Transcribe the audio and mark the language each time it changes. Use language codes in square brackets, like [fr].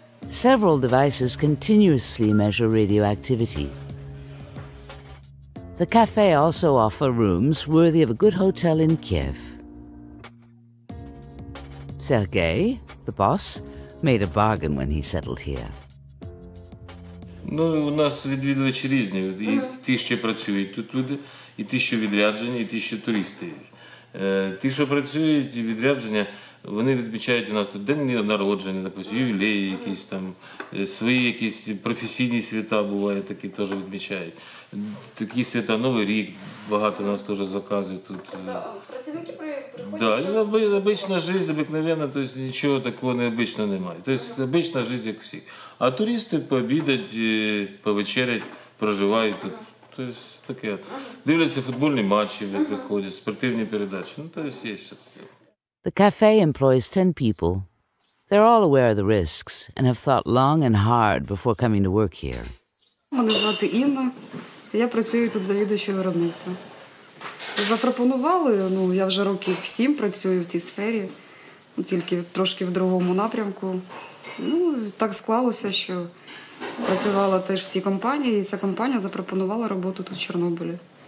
[en] Several devices continuously measure radioactivity. The cafe also offer rooms worthy of a good hotel in Kiev. Sergei, the boss, made a bargain when he settled here. [uk] Ну, у нас відвідувачі різні. І ті, що працюють тут люди, і ті, що відряджені, і ті, що туристи. Ті, що працюють, відрядження, вони відмічають у нас тут день народження, наприклад, ювілеї якісь там, свої якісь професійні свята бувають, такі теж відмічають. Такі свята, Новий рік, багато у нас теж заказів тут. Працівники приходять? Так, звична життя, звичайно, тобто нічого такого необичного немає. Тобто звична життя, як всіх. А туристи пообідають, повечерять, проживають тут. Тобто таке. Дивляться футбольні матчі, приходять, спортивні передачі. Ну, тобто є щось таке. [en] The cafe employs 10 people. They're all aware of the risks and have thought long and hard before coming to work here. [uk] Мене звати Інна. Я працюю тут завідувачем виробництва. Запропонували, ну, я вже років 7 працюю в цій сфері, ну, тільки трошки в другому напрямку. Ну, так склалося, що працювала теж в цій компанії, і ця компанія запропонувала роботу тут в Чорнобилі.